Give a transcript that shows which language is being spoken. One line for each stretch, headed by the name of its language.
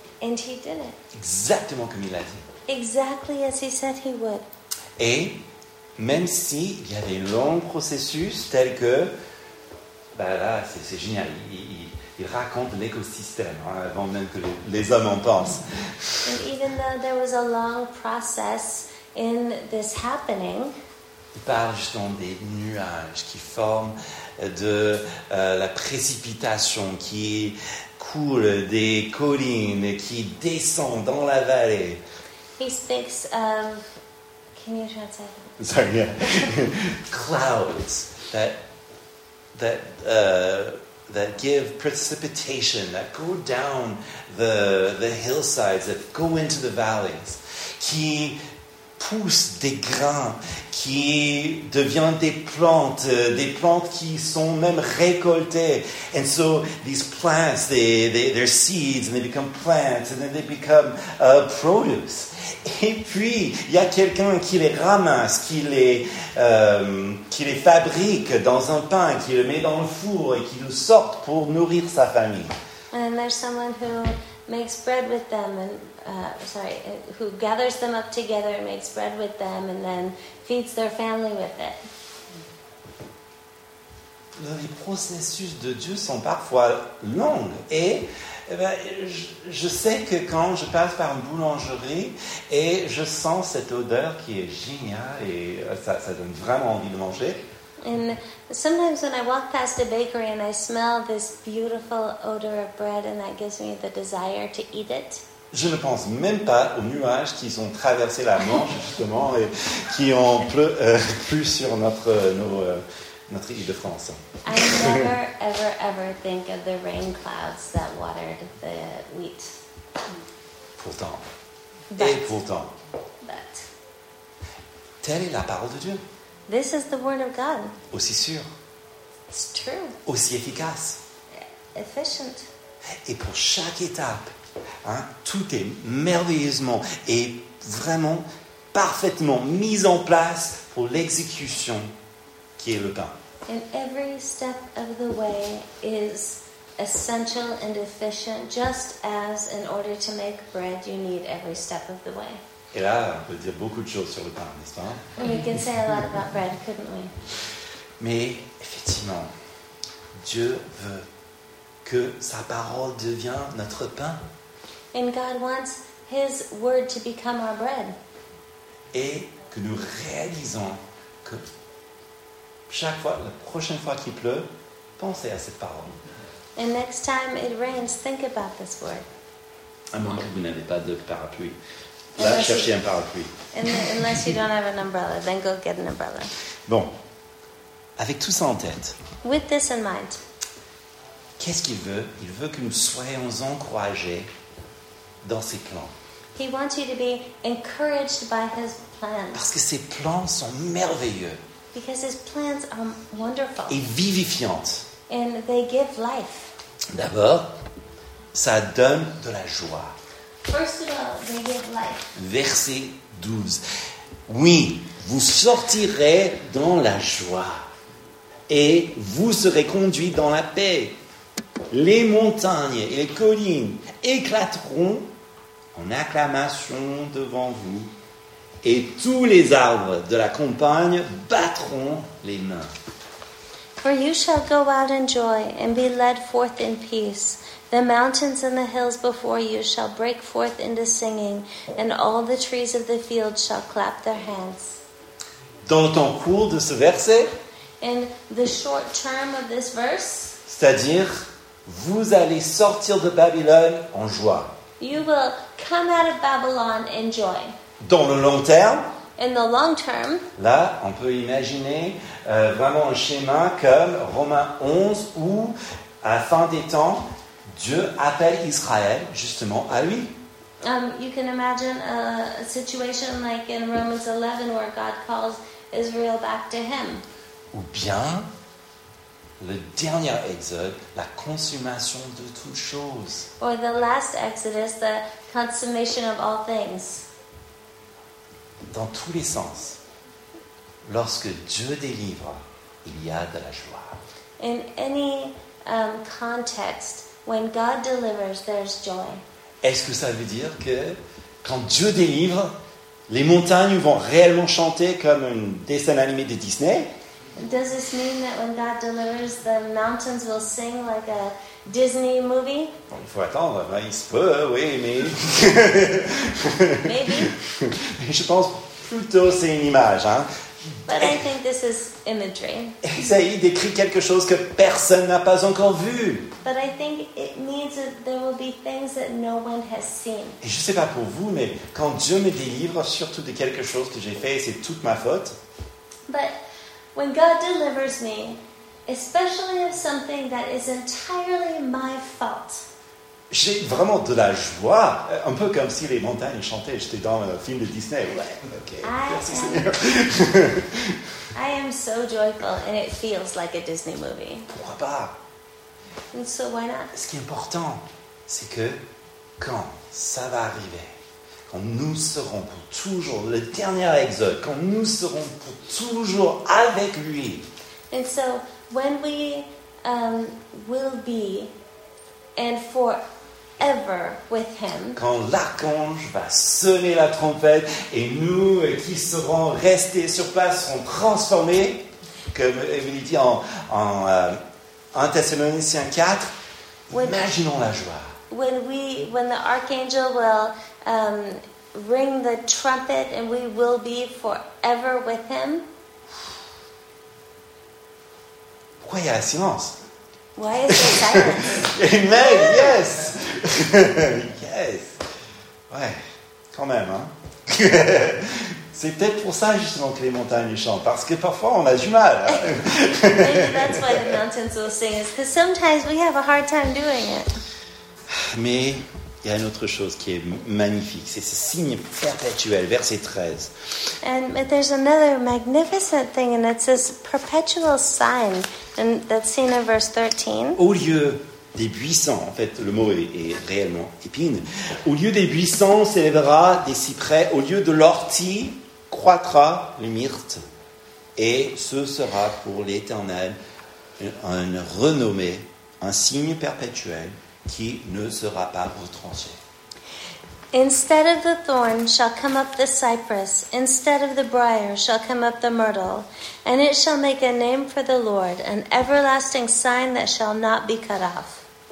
English: And he did it.
French: Exactement comme il a dit.
English: Exactly as he said he would.
French: Et même si il y a des longs processus tels que, ben là, c'est génial. Il raconte l'écosystème hein, avant même que les hommes en pensent.
English: And even though there was a long process in this happening,
French: il parle justement des nuages qui forment de la précipitation qui coule des collines qui descend dans la vallée.
English: He speaks of, can you translate? Sorry, yeah. Clouds that give precipitation, that go down the hillsides, that go into the valleys,
French: qui poussent des grains, qui deviennent des plantes qui sont même récoltées.
English: And so these plants, they're seeds, and they become plants, and then they become produce.
French: Et puis, il y a quelqu'un qui les ramasse, qui les fabrique dans un pain, qui le met dans le four et qui le sort pour nourrir sa famille.
English: And there's someone who makes bread with them, and who gathers them up together and makes bread with them and then feeds their family with it.
French: Les processus de Dieu sont parfois longs et... Eh bien, je sais que quand je passe par une boulangerie et je sens cette odeur qui est géniale et ça donne vraiment envie de manger.
English: And sometimes when I walk past a bakery and I smell this beautiful odor of bread and that gives me the desire to eat it.
French: Je ne pense même pas aux nuages qui ont traversé la Manche, justement, et qui ont plu sur notre île de France.
English: I never, ever, ever think of the rain clouds that watered the wheat.
French: Pourtant.
English: But,
French: et pourtant.
English: But.
French: Telle est la parole de Dieu.
English: This is the word of God.
French: Aussi sûr.
English: It's true.
French: Aussi efficace.
English: Efficient.
French: Et pour chaque étape, hein, tout est merveilleusement et vraiment parfaitement mis en place pour l'exécution qui est le pain.
English: And every step of the way is essential and efficient, just as in order to make bread you need every step of the way.
French: Et là, on peut dire beaucoup de choses sur le pain, n'est-ce pas?
English: We could say a lot about bread, couldn't we?
French: Mais effectivement, Dieu veut que sa parole devienne notre pain.
English: And God wants His word to become our bread.
French: Et que nous réalisons que chaque fois, la prochaine fois qu'il pleut, pensez à cette parole.
English: And next time it rains, think about this word.
French: À moins que vous n'avez pas de parapluie. Là, cherchez un parapluie.
English: Unless you don't have an umbrella, then go get an umbrella.
French: Bon, avec tout ça en tête.
English: With this in mind.
French: Qu'est-ce qu'il veut? Il veut que nous soyons encouragés dans ses plans.
English: He wants you to be encouraged by his plans.
French: Parce que ses plans sont merveilleux.
English: Because his plans are wonderful.
French: Et vivifiantes.
English: And they give life.
French: D'abord, ça donne de la joie.
English: First of all, they give life.
French: Verset 12. Oui, vous sortirez dans la joie et vous serez conduits dans la paix. Les montagnes et les collines éclateront en acclamations devant vous et tous les arbres de la campagne battront les mains.
English: For you shall go out in joy and be led forth in peace. The mountains and the hills before you shall break forth into singing and all the trees of the field shall clap their hands.
French: Dans le temps court de ce verset,
English: in the short term of this verse,
French: c'est-à-dire vous allez sortir de Babylone en joie.
English: You will come out of Babylon in joy.
French: Dans le long terme.
English: In the long term.
French: Là, on peut imaginer vraiment un schéma comme Romains 11 où, à la fin des temps, Dieu appelle Israël justement à lui.
English: You can imagine a situation like in Romans 11 where God calls Israel back to him.
French: Ou bien le dernier exode, la consommation de toutes choses.
English: Or the last exodus, the consummation of all things.
French: Dans tous les sens, lorsque Dieu délivre, il y a de la joie.
English: In any context, when God delivers, there's joy.
French: Est-ce que ça veut dire que quand Dieu délivre, les montagnes vont réellement chanter comme un dessin animé de Disney?
English: Does this mean that when God delivers, the mountains will sing like a Disney movie?
French: Bon, il faut attendre. Ben, il se peut, oui, mais...
English: Maybe.
French: Mais je pense plutôt c'est une image. Hein?
English: But I think this is imagery.
French: Isaïe décrit quelque chose que personne n'a pas encore vu.
English: But I think it means that there will be things that no one has seen.
French: Et je ne sais pas pour vous, mais quand Dieu me délivre, surtout de quelque chose que j'ai fait, c'est toute ma faute.
English: But when God delivers me, especially of something that is entirely my fault.
French: J'ai vraiment de la joie, un peu comme si les montagnes chantaient, j'étais dans un film de Disney. Ouais, okay. Merci Seigneur.
English: I am so joyful and it feels like a Disney movie.
French: Pourquoi pas?
English: And so why not?
French: Ce qui est important, c'est que quand ça va arriver, quand nous serons pour toujours, le dernier exode, quand nous serons pour toujours avec lui.
English: And so, when we will be and forever with him.
French: Quand l'archange va sonner la trompette et nous qui serons restés sur place serons transformés, comme Émilie dit en 1 Thessaloniciens 4, imaginons la joie.
English: When the archangel will ring the trumpet and we will be forever with him.
French: Pourquoi il y a la silence?
English: Why is there silence? Amen, yes! Yes!
French: Ouais, quand même, hein. C'est peut-être pour ça justement que les montagnes chantent, parce que parfois on a du mal.
English: Maybe that's why the mountains will sing, is because sometimes we have a hard time doing it.
French: Mais il y a une autre chose qui est magnifique, c'est ce signe perpétuel, verset 13.
English: And but there's another magnificent thing, and it's this perpetual sign, and that's seen in verse 13.
French: Au lieu des buissons, en fait, le mot est réellement épine. Au lieu des buissons, s'élèvera des cyprès. Au lieu de l'ortie, croîtra le myrte. Et ce sera pour l'Éternel un renommée, un signe perpétuel qui ne sera pas retranché.
English: Instead of the thorn shall come up the cypress, instead of the briar shall come up the myrtle, and it shall make a name for the Lord, an everlasting sign that shall not be cut off.